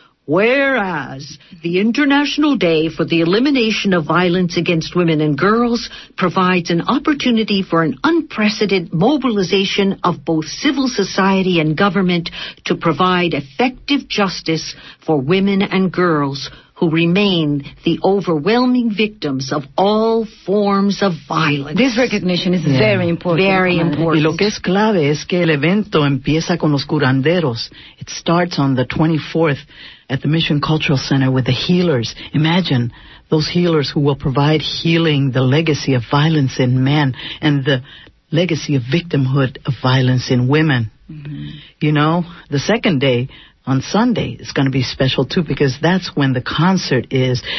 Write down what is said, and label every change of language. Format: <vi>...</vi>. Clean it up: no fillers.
<en>Whereas the International Day for the Elimination of Violence Against Women and Girls provides an opportunity for an unprecedented mobilization of both civil society and government to provide effective justice for women and girls who remain the overwhelming victims of all forms of violence. This recognition is very important. Very important.</en> <es>Y lo que es clave es que el evento empieza con los curanderos.</es> <en>It starts on the 24th at the Mission Cultural Center with the healers. Imagine those healers who will provide healing the legacy of violence in men and the legacy of victimhood of violence in women. Mm-hmm. You know, the second day, on Sunday, it's going to be special, too, because that's when the concert is.</en>